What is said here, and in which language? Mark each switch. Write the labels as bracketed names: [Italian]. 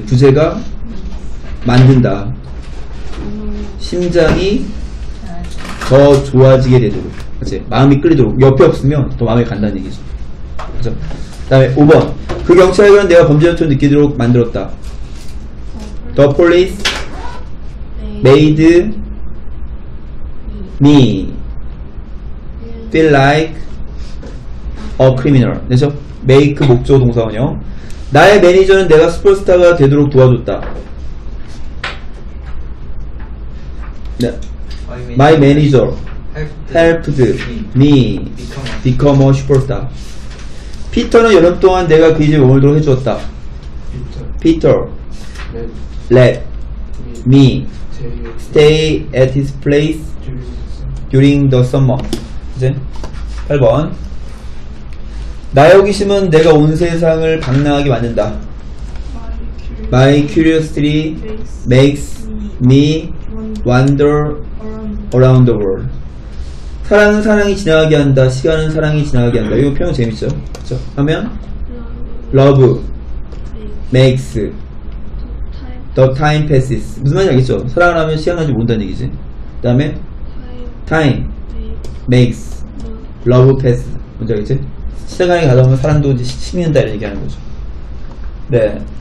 [Korean] 부재가 만든다. 심장이 더 좋아지게 되도록. 하세요. 마음이 끌리도록. 옆에 없으면 더 마음이 간다는 얘기죠. 그죠? 다음에 5번. 그 경찰관은 내가 범죄자처럼 느끼도록 만들었다. [English] The police made me feel like a criminal. [Korean] 그래서 make 목적어 동사원요. 나의 매니저는 내가 슈퍼스타가 되도록 도와줬다. [English] 네. My manager helped me become a superstar. [Korean] 피터는 여름 동안 내가 그 집에 머물도록 해주었다. [English] Peter. Let me stay at his place during the summer. [Korean] 이제 8번. 나의 호기심은 내가 온 세상을 방랑하게 만든다. [English] My curiosity makes me wander around the world. [Korean] 사랑은 사랑이 지나가게 한다. 시간은 사랑이 지나가게 한다. 이거 표현 재밌죠? 그쵸? 하면 [English] love makes The time passes. [Korean] 무슨 말인지 알겠죠? 사랑을 하면 시간 가지 모른다는 얘기지. 그 다음에 [English] time makes love pass. [Korean] 뭔지 알겠지? 시간이 가다 보면 사람도 이제 식는다 이런 얘기하는 거죠. 네.